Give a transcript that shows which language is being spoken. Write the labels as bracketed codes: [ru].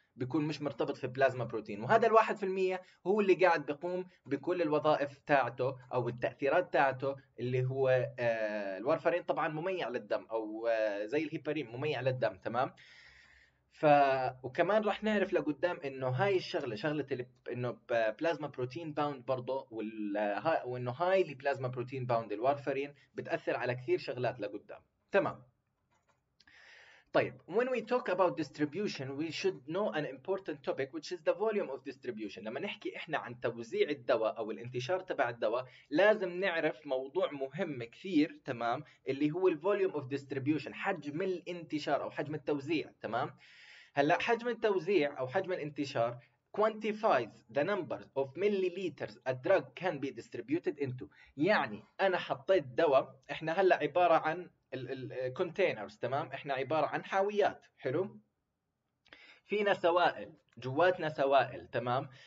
[ar] بيكون مش مرتبط في بلازما بروتين، وهذا الواحد في المية هو اللي قاعد بيقوم بكل الوظائف تاعته أو التأثيرات تاعته، اللي هو الوارفارين طبعا مميع للدم، أو زي الهيبارين مميع للدم، تمام؟ وكمان راح نعرف لقدام انه هاي الشغله، شغله انه بلازما بروتين باوند برضه، وانه هاي اللي بلازما بروتين باوند الوارفارين بتاثر على كثير شغلات لقدام، تمام. [en] طيب when we talk about distribution we should know an important topic which is the volume of distribution. [ar] لما نحكي احنا عن توزيع الدواء او الانتشار تبع الدواء لازم نعرف موضوع مهم كثير، تمام، اللي هو volume of distribution، حجم الانتشار او حجم التوزيع، تمام. هلا حجم التوزيع او حجم الانتشار [en] quantifies the number of milliliters a drug can be distributed into. [ar] يعني انا حطيت دواء، احنا هلا عباره عن الكونتينرز، تمام، احنا عباره عن حاويات، حلو، فينا سوائل، جواتنا سوائل، تمام.